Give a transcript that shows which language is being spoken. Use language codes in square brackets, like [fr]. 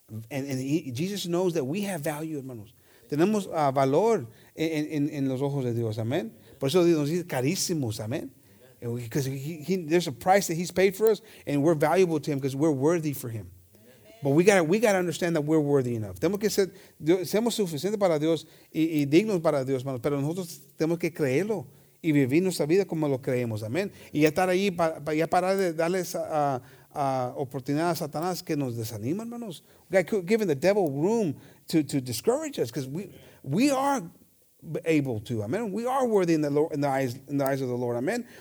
[en] Jesus knows that we have value, [es] hermanos. Tenemos valor en los ojos de Dios. Amen. Por eso nos dice carísimos. Amen. [en] Because there's a price that he's paid for us, and we're valuable to him because we're worthy for him. Amen. But we got to understand that we're worthy enough. [es] Tenemos que ser seamos suficientes para Dios y dignos para Dios, hermanos. Pero nosotros tenemos que creerlo y vivir nuestra vida como lo creemos. Amén. Y ya estar ahí para ya parar de darle esa oportunidad a Satanás que nos desanima, hermanos. [en] Giving the devil room to discourage us because we are able to, amen. We are worthy in the Lord, in the eyes of the Lord, amen.